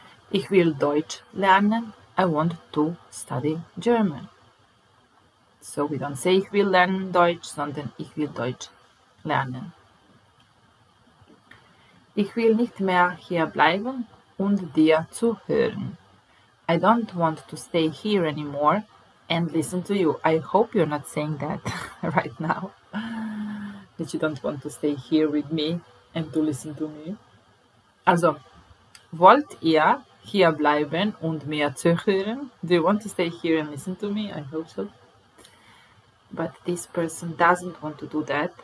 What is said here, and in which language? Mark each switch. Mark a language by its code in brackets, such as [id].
[de] Ich will Deutsch lernen. [en] I want to study German. So we don't say [de] ich will lernen Deutsch, sondern ich will Deutsch lernen. Ich will nicht mehr hier bleiben und dir zuhören. [en] I don't want to stay here anymore and listen to you. I hope you're not saying that right now. That you don't want to stay here with me and to listen to me. [de] Also, wollt ihr hier bleiben und mir zuhören? [en] Do you want to stay here and listen to me? I hope so. But this person doesn't want to do that.